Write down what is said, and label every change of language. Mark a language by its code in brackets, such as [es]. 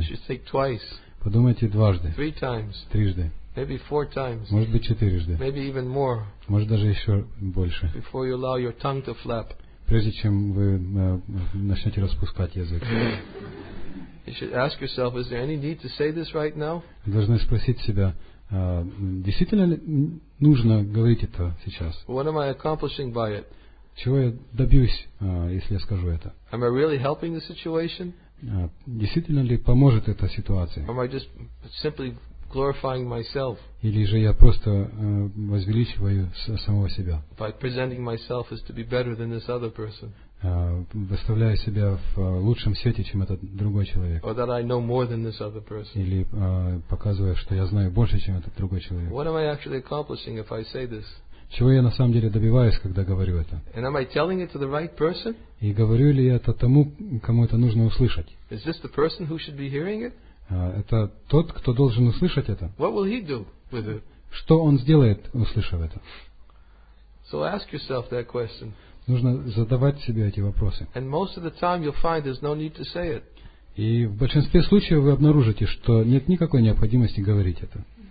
[en] You should think twice. [ru] Подумайте дважды. [en] Three times. [ru] Трижды. [en] Maybe four times. [ru] Может быть, четырежды. [en] Maybe even more. [ru] Может, даже еще больше. [en] Before you allow your tongue to flap. [ru] Прежде чем вы начнете распускать язык. [en] You should ask yourself, is there any need to say this right now? [ru] Вы должны спросить себя, действительно ли нужно говорить это сейчас? [en] What am I accomplishing by it? [ru] Чего я добьюсь, если я скажу это? [en] Am I really helping the situation? [ru] Действительно ли поможет эта ситуация? [en] Am I just simply glorifying myself? [ru] Или же я просто возвеличиваю самого себя? [en] By presenting myself as to be better than this other person. [ru] Выставляю себя в лучшем свете, чем этот другой человек. [en] Or that I know more than this other person. [ru] Или показывая, что я знаю больше, чем этот другой человек. [en] What am I actually accomplishing if I say this? [ru] Чего я на самом деле добиваюсь, когда говорю это? [en] And am I telling it to the right person? [ru] И говорю ли я это тому, кому это нужно услышать? [en] Is this the person who should be hearing it? [ru] Это тот, кто должен услышать это? [en] What will he do with it? [ru] Что он сделает, услышав это? [en] So ask yourself that question. [ru] Нужно задавать себе эти вопросы. [en] And most of the time you'll find there's no need to say it. [ru] И в большинстве случаев вы обнаружите, что нет никакой необходимости говорить это.